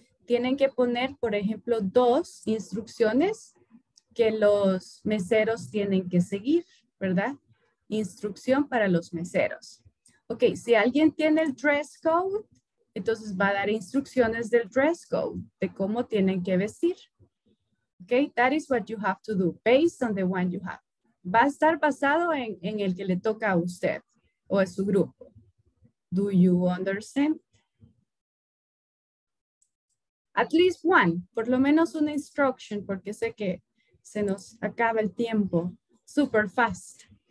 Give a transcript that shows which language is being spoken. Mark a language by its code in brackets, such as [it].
[es] Tienen que poner, por ejemplo, dos instrucciones que los meseros tienen que seguir, ¿verdad? Instrucción para los meseros. Ok, si alguien tiene el dress code, entonces va a dar instrucciones del dress code, de cómo tienen que vestir. [en] Ok, that is what you have to do based on the one you have. [es] Va a estar basado en el que le toca a usted o a su grupo. [en] Do you understand? At least one, [es] por lo menos una instruction, porque sé que se nos acaba el tiempo [en] super fast.